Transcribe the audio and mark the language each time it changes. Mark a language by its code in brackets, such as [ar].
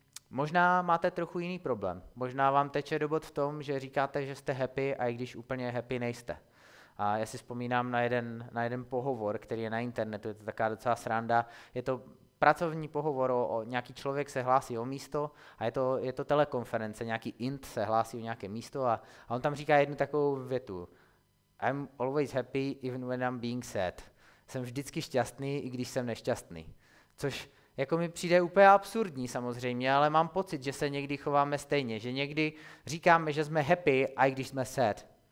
[cs] Možná máte trochu jiný problém. Možná vám teče do bod v tom, že říkáte, že jste happy, a i když úplně happy nejste. A já si vzpomínám na jeden pohovor, který je na internetu, je to taková docela sranda. Je to pracovní pohovor, nějaký člověk se hlásí o místo a je to telekonference, nějaký int se hlásí o nějaké místo a on tam říká jednu takovou větu. [en] I'm always happy even when I'm being sad. [cs] Jsem vždycky šťastný, i když jsem nešťastný. Což jako mi přijde úplně absurdní samozřejmě, ale mám pocit, že se někdy chováme stejně, že někdy říkáme, že jsme happy, a i když jsme sad.